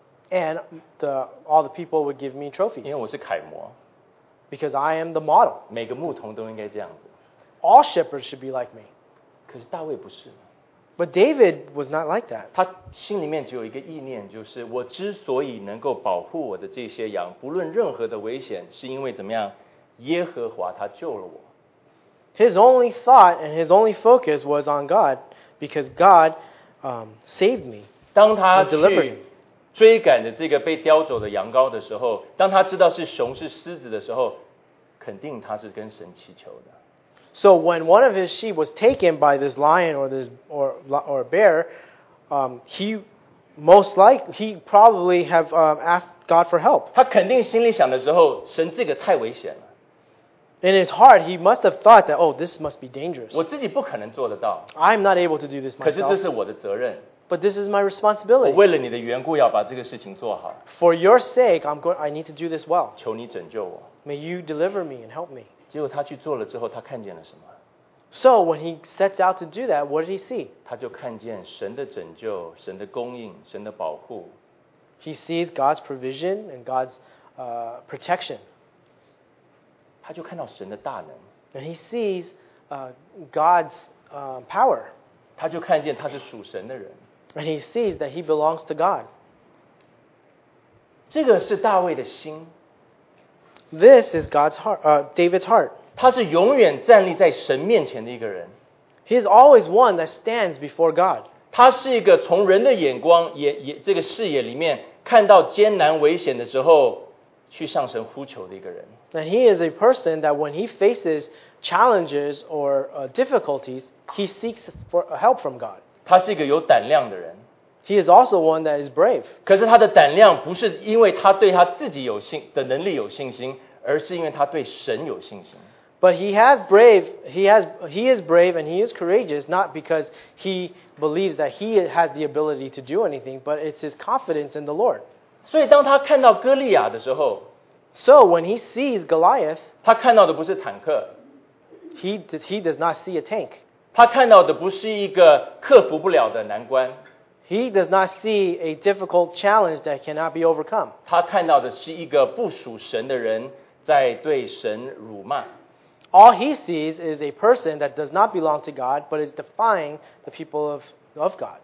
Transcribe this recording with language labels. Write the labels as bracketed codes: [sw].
[en] And all the people would give me trophies. [zh] 因为我是楷模。 [en] Because I am the model. [zh] 每个牧童都应该这样子。 [en] All shepherds should be like me. [zh] 可是大卫不是。 [en] But David was not like that. [zh] 他心里面只有一个意念，就是我之所以能够保护我的这些羊，不论任何的危险，是因为怎么样？耶和华他救了我。 [en] His only thought and his only focus was on God, because God, saved me. [zh] 当他去追赶着这个被叼走的羊羔的时候，当他知道是熊是狮子的时候，肯定他是跟神祈求的。 [en] So when one of his sheep was taken by this lion or this or bear, he probably have asked God for help. [zh] 他肯定心里想的时候，神这个太危险了。 [en] In his heart, he must have thought that, oh, this must be dangerous. [zh] 我自己不可能做得到。 [en] I'm not able to do this myself. [zh] 可是这是我的责任。 [en] But this is my responsibility. [zh] 我为了你的缘故要把这个事情做好。 [en] For your sake, I need to do this well. [zh] 求你拯救我。 [en] May you deliver me and help me. [zh] 结果他去做了之后，他看见了什么？ [en] So when he sets out to do that, what did he see? [zh] 他就看见神的拯救，神的供应，神的保护。 [en] He sees God's provision and God's protection. [zh] 他就看到神的大能。 [en] And he sees God's power. [zh] 他就看见他是属神的人。 [en] And he sees that he belongs to God. [zh] 这个是大卫的心。 [en] This is God's heart, David's heart. [zh] 他是永远站立在神面前的一个人。 [en] He is always one that stands before God. [zh] 他是一个从人的眼光也这个视野里面看到艰难危险的时候去向神呼求的一个人。 [en] And he is a person that when he faces challenges or difficulties, he seeks for help from God. [zh] 他是一个有胆量的人。 [en] He is also one that is brave. [zh] 可是他的胆量不是因为他对他自己有信的能力有信心，而是因为他对神有信心。 [en] But he is brave and he is courageous, not because he believes that he has the ability to do anything, but it's his confidence in the Lord. [zh] 所以当他看到哥利亚的时候， [en] So when he sees Goliath, [zh] 他看到的不是坦克。 [en] He does not see a tank. [zh] 他看到的不是一个克服不了的难关。 [en] He does not see a difficult challenge that cannot be overcome. [zh] 他看到的是一个不属神的人在对神辱骂。 [en] All he sees is a person that does not belong to God, but is defying the people of God.